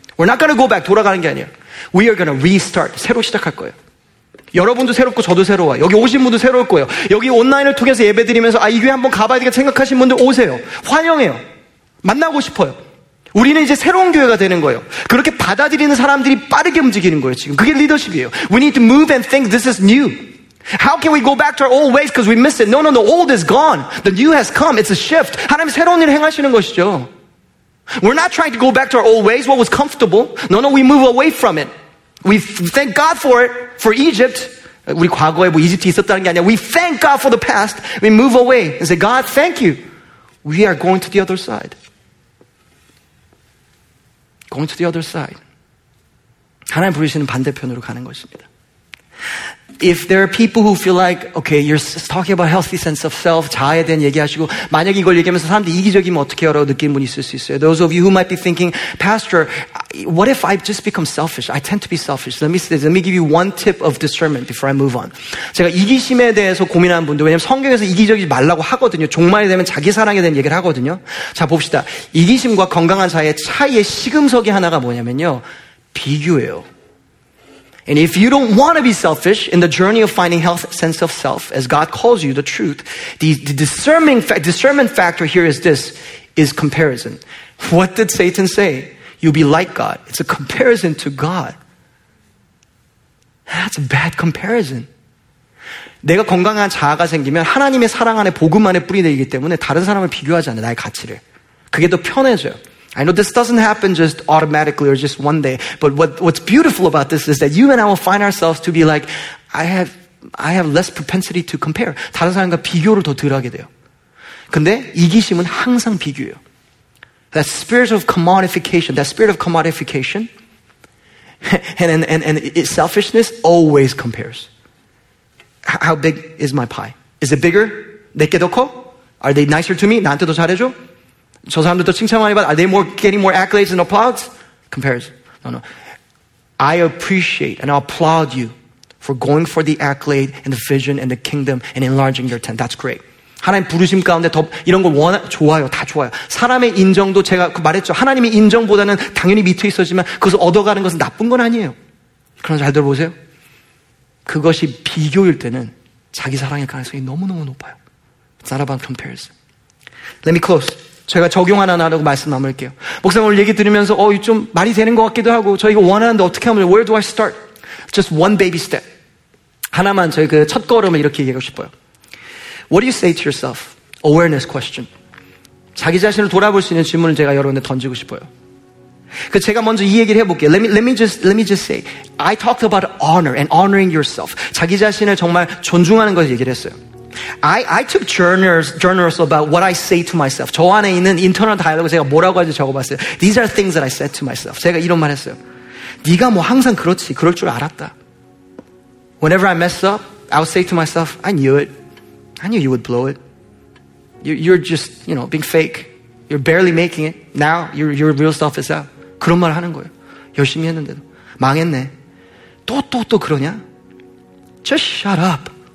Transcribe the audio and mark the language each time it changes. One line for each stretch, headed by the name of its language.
English: We're not going to go back,
Korean: 돌아가는 게 아니에요.
English: We are going to restart,
Korean: 새로 시작할 거예요. 여러분도 새롭고 저도 새로워요. 여기 오신 분도 새로울 거예요. 여기 온라인을 통해서 예배드리면서 아 이 교회 한번 가봐야 되겠다 생각하신 분들 오세요. 환영해요. 만나고 싶어요. 우리는 이제 새로운 교회가 되는 거예요. 그렇게 받아들이는 사람들이 빠르게 움직이는 거예요. 지금 그게 리더십이에요.
English: We need to move and think this is new. How can we go back to our old ways because we missed it? No, no, no. Old is gone. The new has come. It's a shift.
Korean: 하나님 새로운 일을 행하시는 것이죠.
English: We're not trying to go back to our old ways. What was comfortable? No, no. We move away from it. We thank God for it, for Egypt.
Korean: 우리 과거에 뭐 이집트 있었다는 게 아니야.
English: We thank God for the past. We move away and say, God, thank you. We are going to the other side. Going to the other side.
Korean: 하나님 부르시는 반대편으로 가는 것입니다.
English: If there are people who feel like, okay, you're talking about healthy sense of self,
Korean: 자아에 대한 얘기하시고, 만약 이걸 얘기하면서 사람들이 이기적이면 어떻게 하라고 느끼는 분이 있을 수 있어요.
English: Those of you who might be thinking, Pastor, what if I just become selfish? I tend to be selfish. Let me give you one tip of discernment before I move on.
Korean: 제가 이기심에 대해서 고민하는 분들, 왜냐면 성경에서 이기적이지 말라고 하거든요. 종말이 되면 자기 사랑에 대한 얘기를 하거든요. 자, 봅시다. 이기심과 건강한 자아의 차이의 시금석이 하나가 뭐냐면요. 비교예요.
English: And if you don't want to be selfish in the journey of finding health sense of self, as God calls you, the truth, the discernment factor here is this, is comparison. What did Satan say? You'll be like God. It's a comparison to God. That's a bad comparison.
Korean: 내가 건강한 자아가 생기면 하나님의 사랑 안에 복음 안에 뿌리내리기 때문에 다른 사람을 비교하지 않아요, 나의 가치를. 그게 더 편해져요.
English: I know this doesn't happen just automatically or just one day, but what's beautiful about this is that you and I will find ourselves to be like, I have less propensity to compare.
Korean: 다른 사람과 비교를 더 덜 하게 돼요. 근데 이기심은 항상 비교예요.
English: That spirit of commodification, and selfishness always compares. How big is my pie? Is it bigger?
Korean: 내게 더 커?
English: Are they nicer to me?
Korean: 나한테 더 잘해줘? 저 사람들도 칭찬 많이 받아.
English: Are they more getting more accolades and applause? Compares. No, no. I appreciate and I applaud you for going for the accolade and the vision and the kingdom and enlarging your tent. That's great.
Korean: 하나님 부르심 가운데 더 이런 걸 원하, 좋아요. 다 좋아요. 사람의 인정도 제가 말했죠. 하나님의 인정보다는 당연히 밑에 있어지만 그것을 얻어가는 것은 나쁜 건 아니에요. 그러나 잘 들어보세요. 그것이 비교일 때는 자기 사랑의 가능성이 너무너무 높아요.
English: It's not about comparison. Let me close.
Korean: 제가 적용 하나 나누고 말씀 나눌게요. 목사님 오늘 얘기 들으면서 좀 말이 되는 것 같기도 하고 저 이거 원하는데 어떻게 하면
English: Where do I start? Just one baby step.
Korean: 하나만 저희 그 첫 걸음을 이렇게 얘기하고 싶어요.
English: What do you say to yourself? Awareness question.
Korean: 자기 자신을 돌아볼 수 있는 질문을 제가 여러분에 던지고 싶어요. 그 제가 먼저 이 얘기를 해볼게요.
English: Let me just say I talked about honor and honoring yourself.
Korean: 자기 자신을 정말 존중하는 것을 얘기를 했어요.
English: I took journals about what I say to myself.
Korean: 저 안에 있는 인터널 다이얼로그 제가 뭐라고 하지 적어봤어요.
English: These are things that I said to myself.
Korean: 제가 이런 말 했어요. 네가 뭐 항상 그렇지. 그럴 줄 알았다.
English: Whenever I mess up, I would say to myself, I knew it. I knew you would blow it. You're just, you know, being fake. You're barely making it. Now your real self is out.
Korean: 그런 말을 하는 거예요. 열심히 했는데도. 망했네. 또 그러냐?
English: Just shut up.